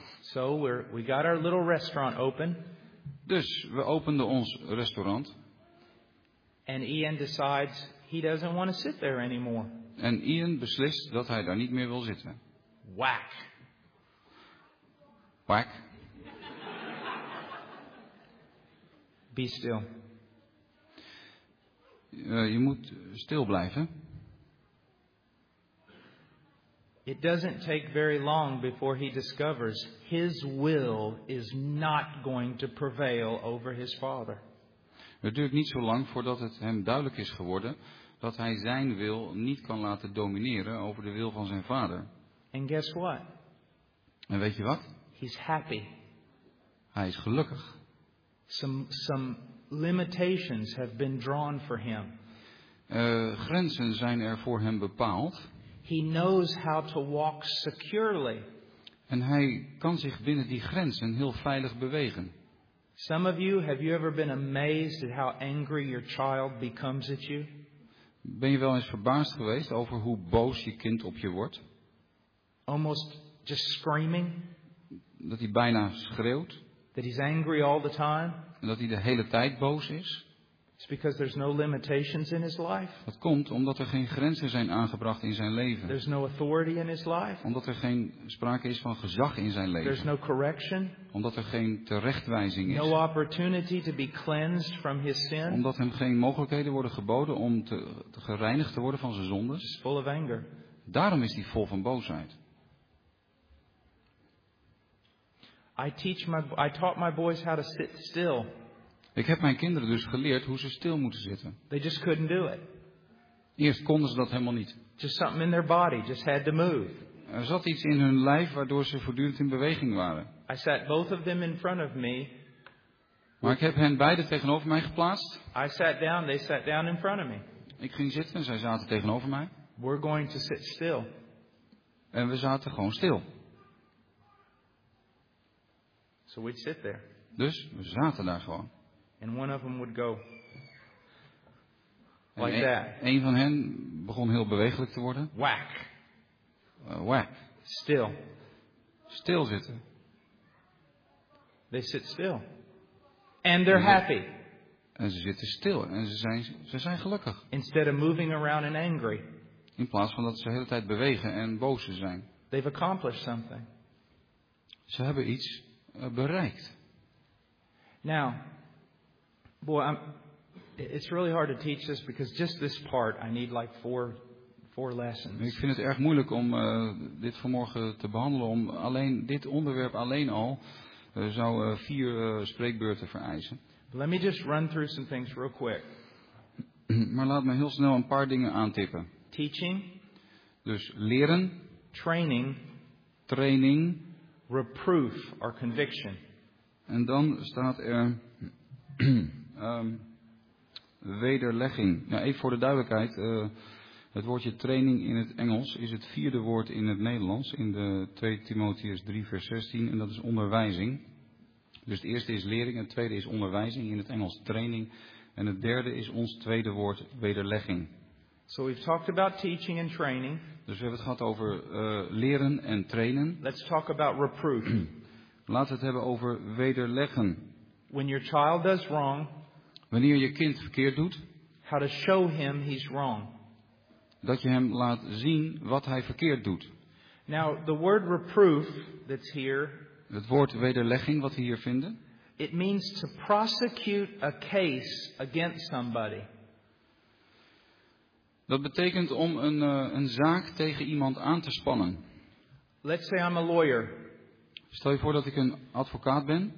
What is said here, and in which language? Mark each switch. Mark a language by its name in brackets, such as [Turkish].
[English] So we got our little restaurant open. [Dutch] Dus we openden ons restaurant. [English] And Ian decides he doesn't want to sit there anymore. [Dutch] En Ian beslist dat hij daar niet meer wil zitten. [English] Whack. Whack. Be still. [Dutch] Je moet stil blijven. [English] It doesn't take very long before he discovers his will is not going to prevail over his father. [Dutch] Het duurt niet zo lang voordat het hem duidelijk is geworden dat hij zijn wil niet kan laten domineren over de wil van zijn vader. [English] And guess what? [Dutch] En weet je wat? [English] He's happy. [Dutch] Hij is gelukkig. [English] Some limitations have been drawn for him. [Dutch] Grenzen zijn er voor hem bepaald. [English] He knows how to walk securely. [Dutch] En hij kan zich binnen die grenzen heel veilig bewegen. [English] Some of you, have you ever been amazed at how angry your child becomes at you? [Dutch] Ben je wel eens verbaasd geweest over hoe boos je kind op je wordt? [English] Almost just screaming. [Dutch] Dat hij bijna schreeuwt. [English] That he's angry all the time. [Dutch] En dat hij de hele tijd boos is. [English] It's because there's no limitations in his life. [Dutch] Dat komt omdat er geen grenzen zijn aangebracht in zijn leven. [English] There's no authority in his life. [Dutch] Omdat er geen sprake is van gezag in zijn leven. [English] There's no correction. [Dutch] Omdat er geen terechtwijzing is. [English] No opportunity to be cleansed from his sin. [Dutch] Omdat hem geen mogelijkheden worden geboden om te gereinigd te worden van zijn zondes. [English] He's full of anger. [Dutch] Daarom is hij vol van boosheid. [English] I taught my boys how to sit still. [Dutch] Ik heb mijn kinderen dus geleerd hoe ze stil moeten zitten. [English] They just couldn't do it. [Dutch] Eerst konden ze dat helemaal niet. [English] Just something in their body just had to move. [Dutch] Er zat iets in hun lijf waardoor ze voortdurend in beweging waren. [English] I sat both of them in front of me. [Dutch] Maar ik heb hen beide tegenover mij geplaatst. [English] I sat down, they sat down in front of me. [Dutch] Ik ging zitten en zij zaten tegenover mij. [English] We're going to sit still. [Dutch] En we zaten gewoon stil. [English] So we'd sit there. [Dutch] Dus we zaten daar gewoon. [English] And one of them would go like that. [Dutch] Een van hen begon heel bewegelijk te worden. [English] Whack. Whack. Still. [Dutch] Stil zitten. [English] They sit still. And they're happy. [Dutch] En ze zitten stil en ze zijn gelukkig. [English] Instead of moving around and angry. [Dutch] In plaats van dat ze de hele tijd bewegen en boos zijn. [English] They've accomplished something. [Dutch] Ze hebben iets bereikt. [English] Now, boy, it's really hard to teach this because just this part, I need like four lessons. [Dutch] Ik vind het erg moeilijk om dit vanmorgen te behandelen, om alleen dit onderwerp alleen al zou vier spreekbeurten vereisen. [English] Let me just run through some things real quick. [Dutch] Maar laat me heel snel een paar dingen aantippen. [English] Teaching. [Dutch] Dus leren. [English] Training. [Dutch] Training. [English] Reproof or conviction. [Dutch] En dan staat er wederlegging. Ja, even voor de duidelijkheid. Het woordje training in het Engels is het vierde woord in het Nederlands. In de 2 Timotheus 3 vers 16. En dat is onderwijzing. Dus het eerste is lering, het tweede is onderwijzing, in het Engels training. En het derde is ons tweede woord, wederlegging. [English] So we've talked about teaching and training. [Dutch] Dus we hebben het gehad over leren en trainen. [English] Let's talk about reproof. [Dutch] Laten we het hebben over wederleggen. [English] When your child does wrong, [Dutch] wanneer je kind verkeerd doet, [English] how to show him he's wrong. [Dutch] Dat je hem laat zien wat hij verkeerd doet. [English] Now, the word reproof that's here. [Dutch] Het woord wederlegging wat we hier vinden. [English] It means to prosecute a case against somebody. [Dutch] Dat betekent om een zaak tegen iemand aan te spannen. [English] Let's say I'm a lawyer. [Dutch] Stel je voor dat ik een advocaat ben.